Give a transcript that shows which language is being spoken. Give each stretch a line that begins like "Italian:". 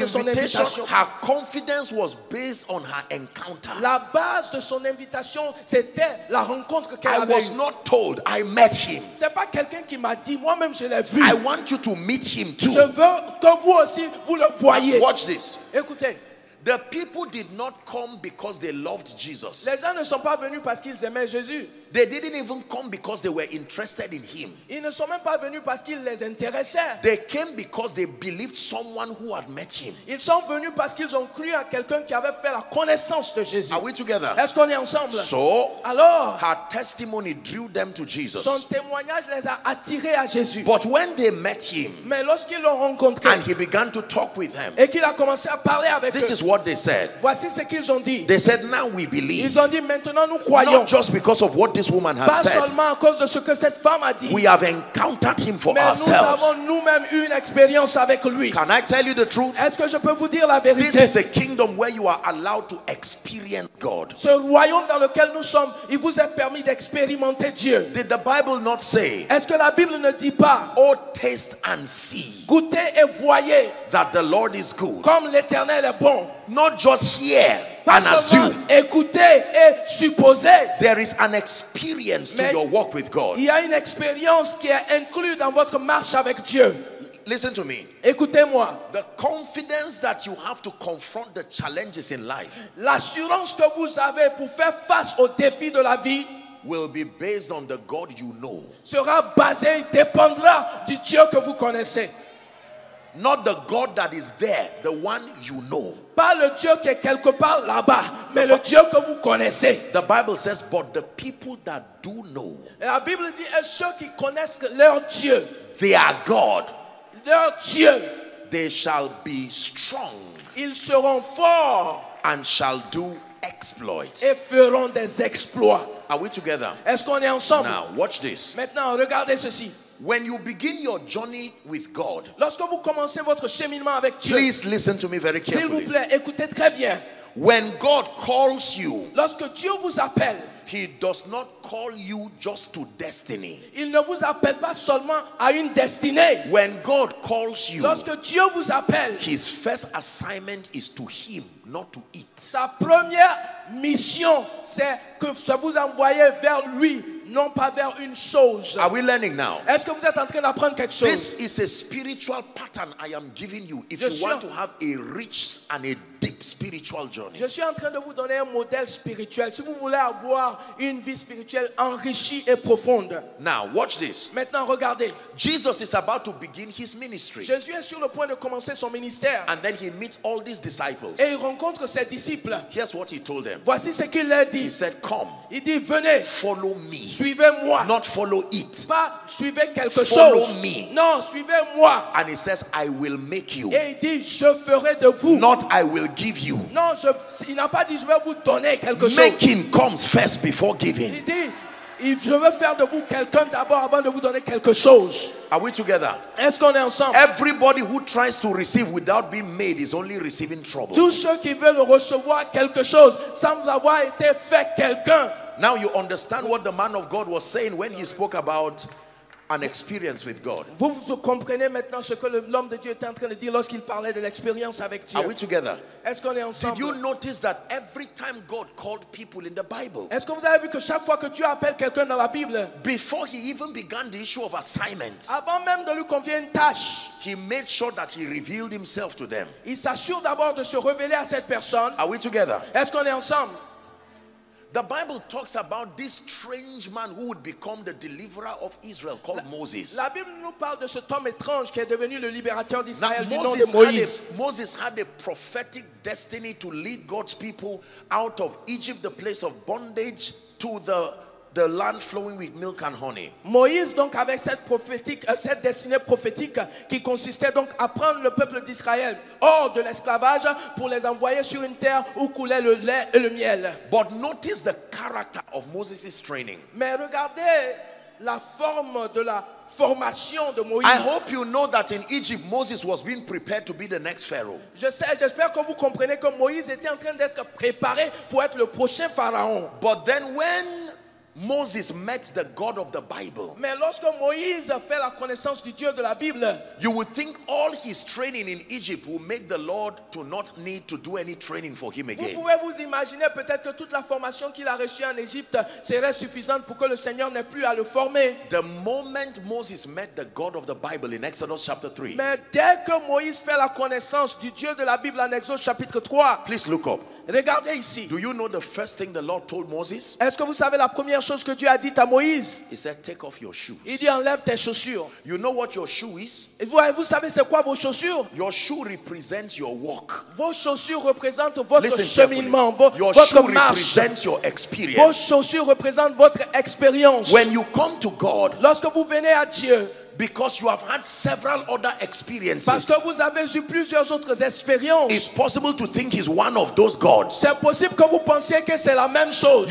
French: de son invitation.
English: Her confidence was based on her encounter.
French: La base de son invitation, c'était la rencontre qu'elle avait.
English: I was not told, I met him.
French: C'est pas quelqu'un qui m'a dit, moi-même je l'ai vu.
English: I want you to meet him too.
French: Je veux que vous aussi vous le voyez.
English: Watch this.
French: Écoutez.
English: The people did not come because they loved Jesus.
French: Les gens ne sont pas venus parce qu'ils aimaient Jésus.
English: They didn't even come because they were interested in him.
French: Ils ne sont même pas venus parce qu'ils les intéressaient.
English: They came because they believed someone who had met him.
French: Ils sont venus parce qu'ils ont cru à quelqu'un qui avait fait la connaissance de Jésus.
English: Are we together?
French: Est-ce qu'on est ensemble?
English: So,
French: alors,
English: her testimony drew them to Jesus.
French: Son témoignage les a attirés à Jésus.
English: But when they met him,
French: mais lorsqu'ils l'ont rencontré,
English: and he began to talk with them,
French: et qu'il a commencé à parler avec
English: this
French: eux,
English: is what they said.
French: Voici ce qu'ils ont dit.
English: They said, "Now we believe."
French: Ils ont dit, maintenant nous croyons.
English: Not just because of what this woman has
French: pas seulement à cause de ce que cette femme a dit.
English: We have encountered him for
French: mais
English: ourselves.
French: Nous avons nous-mêmes eu une expérience avec lui.
English: Can I tell you the truth?
French: Est-ce que je peux vous dire la vérité?
English: This is a kingdom where you are allowed to experience God.
French: Ce royaume dans lequel nous sommes, il vous est permis d'expérimenter Dieu.
English: Did the Bible not say?
French: Est-ce que la Bible ne dit pas?
English: Oh, taste and see.
French: Goûtez et voyez.
English: That the Lord is good.
French: Comme l'Éternel est bon.
English: Not just hear and assume.
French: Écouter et supposer.
English: There is an experience
French: mais
English: to your walk with God.
French: Il y a une expérience qui est inclue dans votre marche avec Dieu.
English: Listen to me.
French: Écoutez-moi.
English: The confidence that you have to confront the challenges in life.
French: L'assurance que vous avez pour faire face aux défis de la vie.
English: Will be based on the God you know.
French: Sera basé, dépendra du Dieu que vous connaissez.
English: Not the God that is there, the one you know.
French: Pas le Dieu qui est quelque part là-bas, mais le Dieu que vous connaissez.
English: The Bible says, but the people that do know.
French: La Bible dit, et ceux qui connaissent leur Dieu.
English: Their God.
French: Leur Dieu.
English: They shall be strong.
French: Ils seront forts.
English: And shall do exploits.
French: Et feront des exploits.
English: Are we together?
French: Est-ce qu'on est ensemble?
English: Now, watch this.
French: Maintenant, regardez ceci.
English: When you begin your journey with God,
French: lorsque vous commencez votre cheminement avec Dieu,
English: please listen to me very carefully.
French: S'il vous plaît, écoutez très bien.
English: When God calls you,
French: lorsque Dieu vous appelle,
English: He does not call you just to destiny.
French: Il ne vous appelle pas seulement à une destinée.
English: When God calls you,
French: lorsque Dieu vous appelle,
English: His first assignment is to Him, not to it.
French: Sa première mission, c'est que ça vous envoie vers lui. Non pas vers une chose.
English: Are we learning now?
French: Est-ce que vous êtes en train d'apprendre quelque chose?
English: This is a spiritual pattern I am giving you if you want to have a rich and a deep spiritual journey.
French: Je suis en train de vous donner un modèle spirituel si vous voulez avoir une vie spirituelle enrichie et profonde.
English: Now, watch this.
French: Maintenant, regardez.
English: Jesus is about to begin his ministry.
French: Jésus est sur le point de commencer son ministère.
English: And then he meets all these disciples.
French: Et il rencontre ses disciples.
English: Here's what he told them.
French: Voici ce qu'il leur dit.
English: He said, "Come."
French: Il dit, venez.
English: Follow me.
French: Suivez-moi.
English: Not follow it.
French: Pas suivez quelque
English: follow
French: chose.
English: Follow me.
French: Non, suivez-moi.
English: And he says, "I will make you."
French: Et il dit, je ferai de vous.
English: Not I will give you.
French: Non, il n'a pas dit je vais vous donner quelque
English: making
French: chose.
English: Making comes first before giving.
French: Il dit, je veux faire de vous quelqu'un d'abord avant de vous donner quelque chose.
English: Are we together?
French: Est-ce qu'on est ensemble?
English: Everybody who tries to receive without being made is only receiving trouble.
French: Tous ceux qui veulent recevoir quelque chose sans avoir été fait quelqu'un.
English: Now you understand what the man of God was saying when he spoke about an experience with God.
French: Vous comprenez maintenant ce que l'homme de Dieu était en train de dire lorsqu'il parlait de l'expérience avec Dieu.
English: Are we together?
French: Est-ce qu'on est ensemble?
English: Did you notice that every time God called people in the Bible?
French: Est-ce que vous avez vu que chaque fois que Dieu appelle quelqu'un dans la Bible,
English: before he even began the issue of assignment,
French: avant même de lui confier une tâche,
English: he made sure that he revealed himself to them.
French: Il s'assure d'abord de se révéler à cette personne.
English: Are we together?
French: Est-ce qu'on est ensemble?
English: The Bible talks about this strange man who would become the deliverer of Israel called Moses.
French: La Bible nous parle de cet homme étrange qui est devenu le libérateur d'Israël du nom de Moïse.
English: Moses had a prophetic destiny to lead God's people out of Egypt, the place of bondage, to the land flowing with milk and honey.
French: Moïse donc avec cette destinée prophétique qui consistait donc à prendre le peuple d'Israël hors de l'esclavage pour les envoyer sur une terre où coulait le lait et le miel.
English: But notice the character of Moses' training.
French: Mais regardez la forme de la formation de Moïse.
English: I hope you know that in Egypt Moses was being prepared to be the next Pharaoh.
French: J'espère que vous comprenez que Moïse était en train d'être préparé pour être le prochain pharaon.
English: But then when Moses met the God of the Bible,
French: mais lorsque Moïse a fait la connaissance du Dieu de la Bible,
English: you would think all his training in Egypt will make the Lord to not need to do any training for him again.
French: Vous pouvez vous imaginer peut-être que toute la formation qu'il a reçue en Égypte serait suffisante pour que le Seigneur n'ait plus à le former.
English: The moment Moses met the God of the Bible in Exodus chapter 3.
French: Mais dès que Moïse fait la connaissance du Dieu de la Bible en Exode chapitre 3.
English: Please look up.
French: Regardez ici.
English: Do you know the first thing the Lord told Moses?
French: Est-ce que vous savez la première chose que Dieu a dit à Moïse?
English: He said, "Take off your shoes."
French: Il dit, enlève tes chaussures.
English: You know what your shoe is?
French: Vous savez c'est quoi vos chaussures?
English: Your shoe represents your walk.
French: Vos chaussures représentent votre cheminement, votre marche.
English: Your shoe represents your experience.
French: Vos chaussures représentent votre expérience.
English: When you come to God,
French: lorsque vous venez à Dieu,
English: because you have had several other experiences,
French: parce que vous avez eu plusieurs autres expériences,
English: it's possible to think he's one of those gods.
French: C'est possible que vous pensiez que c'est la même chose.